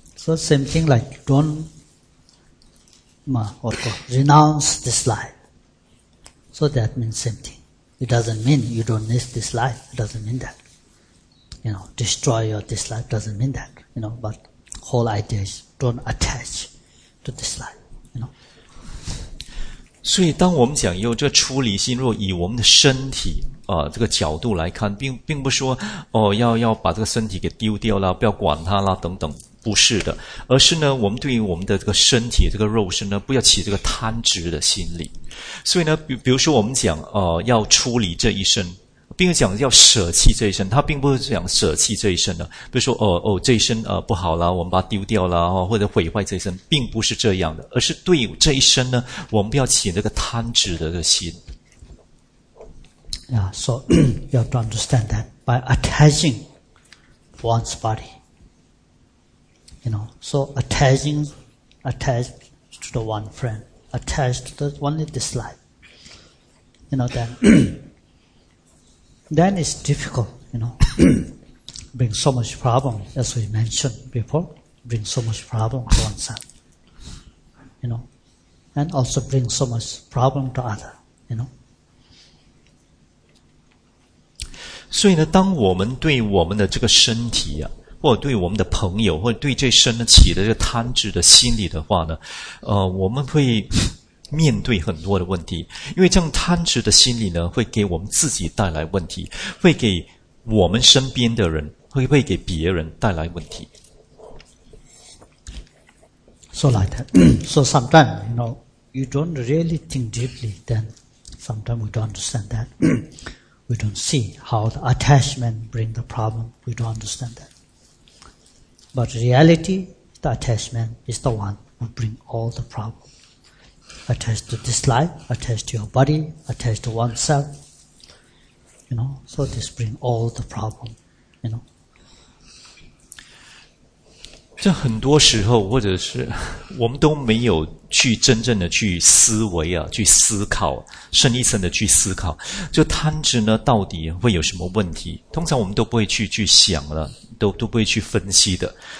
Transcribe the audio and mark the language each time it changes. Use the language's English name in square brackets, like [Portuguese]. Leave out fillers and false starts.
[English] So same thing like renounce this life. So that means same thing. It doesn't mean you don't need this life. It doesn't mean that. You know, destroy your this life doesn't mean that. You know, but whole idea is don't attach. To this line, you know? [Chinese] 所以当我们讲有这出离心，若以我们的身体这个角度来看，并不说要把这个身体给丢掉了，不要管它了等等，不是的。而是呢我们对于我们的这个身体这个肉身呢，不要起这个贪执的心理。所以呢比如说我们讲要出离这一身，并且讲要舍弃这一身，他并不是讲舍弃这一身的，比如说这一身不好啦，我们把它丢掉啦，或者毁坏这一身，并不是这样的，而是对这一身呢，我们不要起那个贪执的这个心。 [English] Yeah, so you have to understand that by attaching one's body, you know, so attached to the one friend, attached to the only this life, you know that. Then it's difficult, you know, bring so much problem, as we mentioned before, bring so much problem to oneself, you know, and also bring so much problem to other, you know. [Chinese] 所以呢，当我们对我们的这个身体啊，或者对我们的朋友，或者对这身呢起的这个贪执的心理的话呢，我们会面对很多的问题，因为这样贪执的心理呢，会给我们自己带来问题，会给我们身边的人，会给别人带来问题。 [English] So like that. So sometimes, you know, you don't really think deeply, then sometimes we don't understand that. We don't see how the attachment bring the problem. We don't understand that. But reality, the attachment is the one who bring all the problem. Attached to this life, attached to your body, attached to oneself, you know, so this brings all the problem, you know. [Chinese] 这很多时候或者是我们都没有去真正的去思维啊，去思考深一层的去思考就贪执呢到底会有什么问题，通常我们都不会去想了，都不会去分析的。